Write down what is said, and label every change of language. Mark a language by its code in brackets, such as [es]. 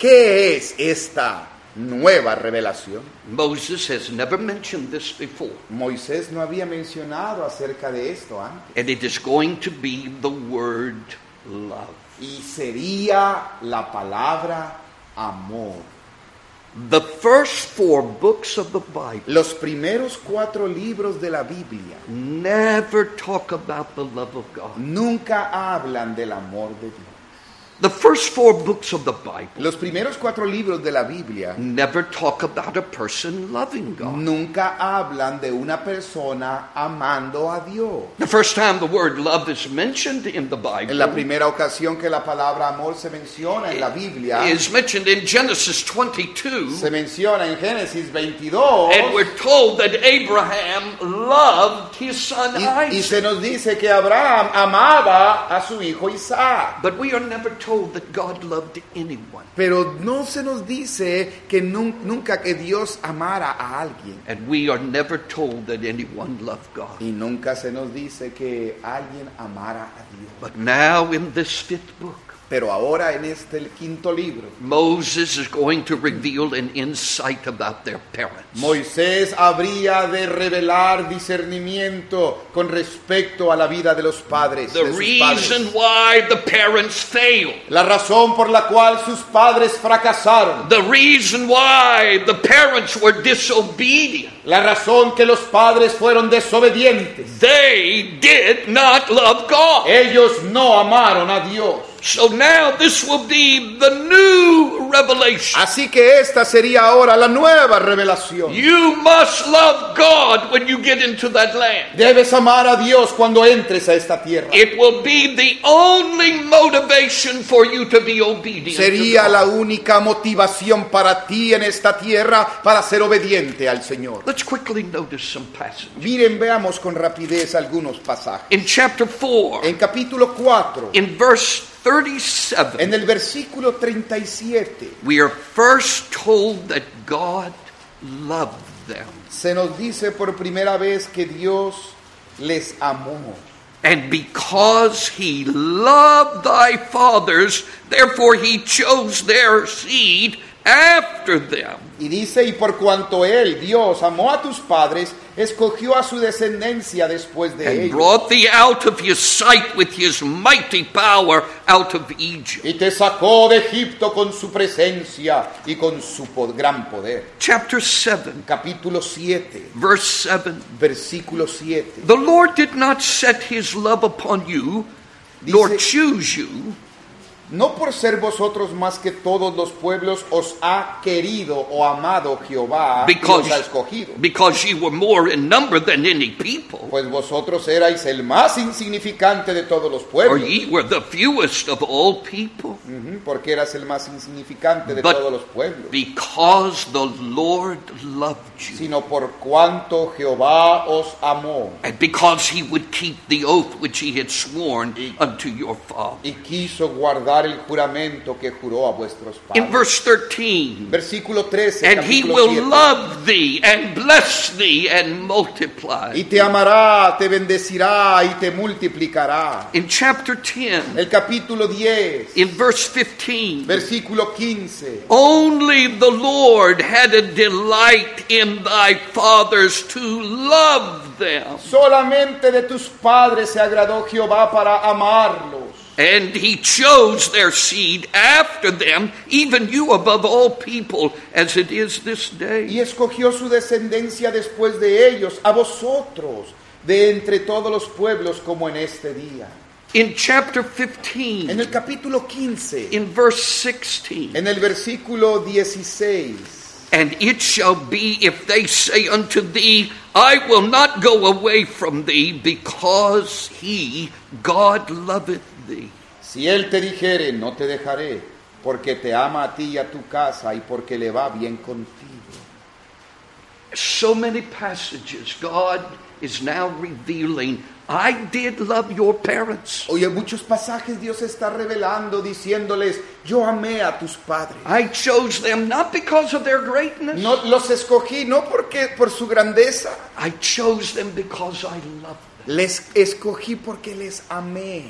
[es] ¿Qué es esta nueva revelación? [en] Moses has never mentioned this before. [es] Moisés no había mencionado acerca de esto antes. [en] And it is going to be the word love. [es] Y sería la palabra amor. [en] The first four books of the Bible. [es] Los primeros cuatro libros de la Biblia. [en] Never talk about the love of God. [es] Nunca hablan del amor de Dios. [en] The first four books of the Bible. [es] Los primeros cuatro libros de la Biblia. [en] Never talk about a person loving God. [es] Nunca hablan de una persona amando a Dios. [en] The first time the word love is mentioned in the Bible. [es] En la primera ocasión que la palabra amor se menciona en la Biblia. [en] Is mentioned in Genesis 22. [es] Se menciona en Génesis 22. [en] And we're told that Abraham loved his son Isaac. [es] Y se nos dice que Abraham amaba a su hijo Isaac. [en] But we are never told that God loved anyone. [es] Pero no se nos dice que nunca que Dios amara a alguien. [en] And we are never told that anyone loved God. [es] Y nunca se nos dice que alguien amara a Dios. [en] But now in this fifth book. [es] Pero ahora en este quinto libro. [en] Moses is going to reveal an insight about their parents. [es] Moisés habría de revelar discernimiento con respecto a la vida de los padres. [en] The reason why the parents failed. [es] La razón por la cual sus padres fracasaron. [en] The reason why the parents were disobedient. [es] La razón que los padres fueron desobedientes. [en] They did not love God. [es] Ellos no amaron a Dios. [en] So now this will be the new revelation. [es] Así que esta sería ahora la nueva revelación. [en] You must love God when you get into that land. [es] Debes amar a Dios cuando entres a esta tierra. [en] It will be the only motivation for you to be obedient. [es] Sería la única motivación para ti en esta tierra para ser obediente al Señor. [en] Let's quickly notice some passages. [es] Miren, veamos con rapidez algunos pasajes. [en] In chapter 4. [es] En capítulo 4. [en] In verse 37. [es] En el versículo 37. [en] We are first told that God loved them. [es] Se nos dice por primera vez que Dios les amó. [en] And because he loved thy fathers, therefore he chose their seed after them. [es] Y dice, y por cuanto él, Dios, amó a tus padres, escogió a su descendencia después de [en] and [es] ellos. [en] And brought thee out of his sight with his mighty power out of Egypt. [es] Y te sacó de Egipto con su presencia y con su gran poder. [en] Chapter 7. [es] Capítulo 7. [en] Verse 7. [es] Versículo 7. [en] The Lord did not set his love upon you, [es] dice, [en] nor choose you. [es] No por ser vosotros más que todos los pueblos os ha querido o amado Jehová, [en] because, [es] y os ha escogido. [en] Because you were more in number than any people. [es] Pues vosotros erais el más insignificante de todos los pueblos. [en] Or ye were the fewest of all people. [es] Porque eras el más insignificante de [en] but [es] todos los pueblos. [en] Because the Lord loved you. [es] Sino por cuanto Jehová os amó. [en] And because he would keep the oath which he had sworn unto your father. [es] Y quiso guardar dar el juramento que juró a vuestros padres. [en] In verse 13, [es] versículo 13, [en] and he will 7, love thee and bless thee and multiply. [es] Y te amará, te bendecirá y te multiplicará. [en] In chapter 10, [es] el capítulo 10, [en] in verse 15, [es] versículo 15, [en] only the Lord had a delight in thy fathers to love them. [es] Solamente de tus padres se agradó Jehová para amarlos. [en] And he chose their seed after them, even you above all people, as it is this day. [es] Y escogió su descendencia después de ellos, a vosotros, de entre todos los pueblos, como en este día. [en] In chapter 15, [es] en el capítulo 15, [en] in verse 16, [es] en el versículo 16, [en] and it shall be if they say unto thee, I will not go away from thee, because he, God, loveth. [es] Si él te dijere, no te dejaré, porque te ama a ti y a tu casa, y porque le va bien contigo. [en] So many passages God is now revealing, I did love your parents. [es] Oye, muchos pasajes Dios está revelando, diciéndoles, yo amé a tus padres. [en] I chose them not because of their greatness. [es] No, los escogí no porque por su grandeza. [en] I chose them because I loved them. [es] Les escogí porque les amé.